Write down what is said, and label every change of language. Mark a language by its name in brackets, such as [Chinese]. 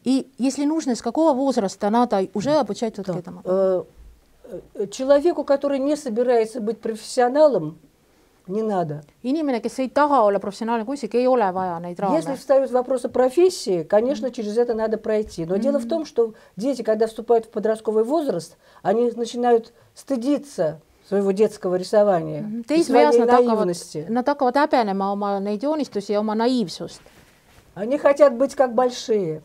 [Russian] И если нужны, с какого возраста надо уже обучать вот этому? Человеку, который не собирается быть профессионалом, не надо. [Estonian] Inimene, kes ei taha olla [Russian] профессиональный кунстник, [Estonian] ei ole vaja neid raame. [Russian] Если встают вопрос о профессии, конечно, через это надо пройти. Но дело в том, что дети, когда вступают в подростковый возраст, они начинают стыдиться своего детского рисования и своей наивности. [Estonian] Nad hakkavad häbenema oma neid joonistusi ja oma naiivsust. [Russian] Они хотят быть как большие.